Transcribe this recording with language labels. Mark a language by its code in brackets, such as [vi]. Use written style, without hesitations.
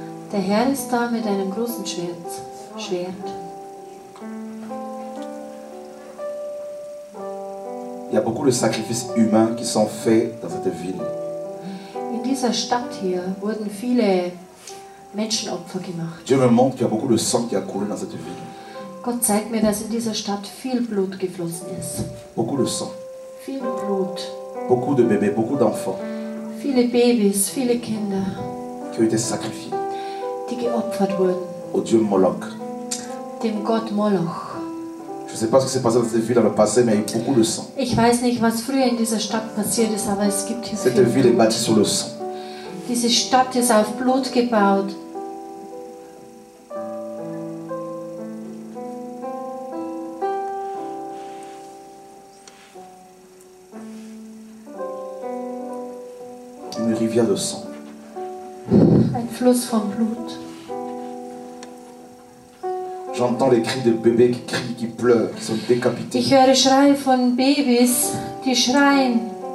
[de] Der Herr ist da mit einem großen Schwert. [fr] Il y a beaucoup de sacrifices humains qui sont faits dans cette ville. [de] In dieser Stadt hier wurden viele Menschenopfer gemacht. [fr] Dieu me montre qu'il y a beaucoup de sang qui a coulé dans cette ville. [de] Gott zeigt mir, dass in dieser Stadt viel Blut geflossen ist. [fr] Beaucoup de sang. [de] Viel Blut. [fr] Beaucoup de bébés, beaucoup d'enfants. [de] Viele Babys, viele Kinder, [fr] qui ont été sacrifiés, [de] die geopfert wurden, [fr] au Dieu Moloch, [de] dem Gott Moloch. [fr] Je sais pas ce qui s'est passé dans cette ville dans le passé, mais il y a eu beaucoup de sang. [de] Ich weiß nicht, was früher in dieser Stadt passiert ist, aber es gibt hier [fr] cette ville est bâtie sur le sang. [de] Diese Stadt ist auf Blut gebaut. [fr] Rivière de sang. [de] Ein Fluss von Blut. [fr] J'entends les cris de bébés qui crient, qui pleurent, qui sont décapités. [de] Ich höre Schreie von Babys, die schreien.